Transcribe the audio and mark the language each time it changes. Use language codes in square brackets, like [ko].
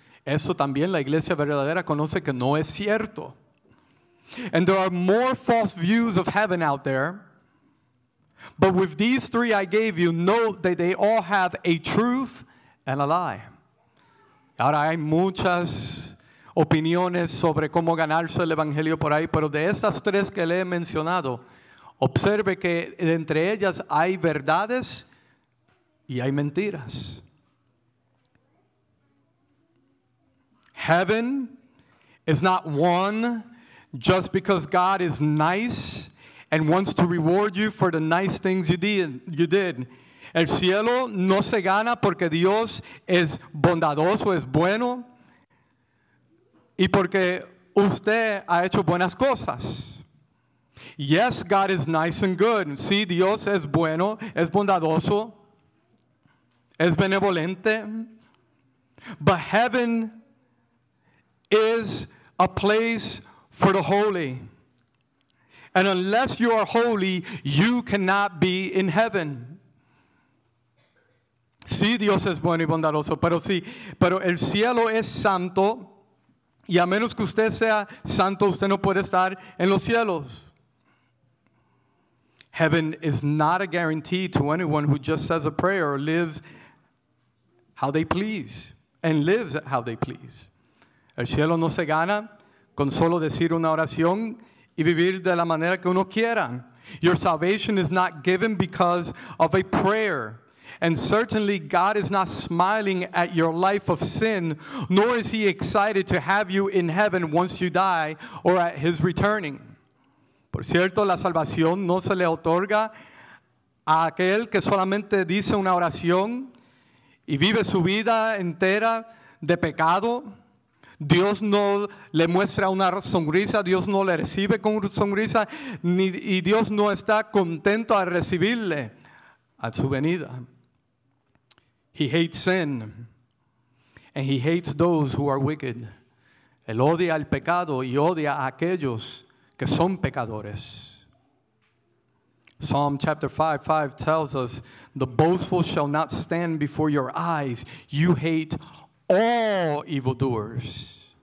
[es] Eso también la iglesia verdadera conoce que no es cierto. [en] And there are more false views of heaven out there. But with these three I gave you, note that they all have a truth and a lie. [es] Ahora hay muchas opiniones sobre cómo ganarse el evangelio por ahí, pero de esas tres que le he mencionado, observe que entre ellas hay verdades y hay mentiras. [en] Heaven is not won just because God is nice and wants to reward you for the nice things you did. [es] El cielo no se gana porque Dios es bondadoso, es bueno, y porque usted ha hecho buenas cosas. [en] Yes, God is nice and good. [es] Sí, Dios es bueno, es bondadoso, es benevolente. [en] But heaven is a place for the holy. And unless you are holy, you cannot be in heaven. [es] Sí, Dios es bueno y bondadoso, pero sí, pero el cielo es santo, y a menos que usted sea santo, usted no puede estar en los cielos. [en] Heaven is not a guarantee to anyone who just says a prayer or lives how they please and lives how they please. [es] El cielo no se gana con solo decir una oración y vivir de la manera que uno quiera. [en] Your salvation is not given because of a prayer. And certainly God is not smiling at your life of sin, nor is he excited to have you in heaven once you die or at his returning. [es] Por cierto, la salvación no se le otorga a aquel que solamente dice una oración y vive su vida entera de pecado. Dios no le muestra una sonrisa, Dios no le recibe con una sonrisa, ni, y Dios no está contento al recibirle a su venida. [en] He hates sin, and he hates those who are wicked. [es] Él odia el pecado y odia a aquellos que son pecadores. [en] Psalm chapter 5:5 tells us, the boastful shall not stand before your eyes. You hate all evildoers.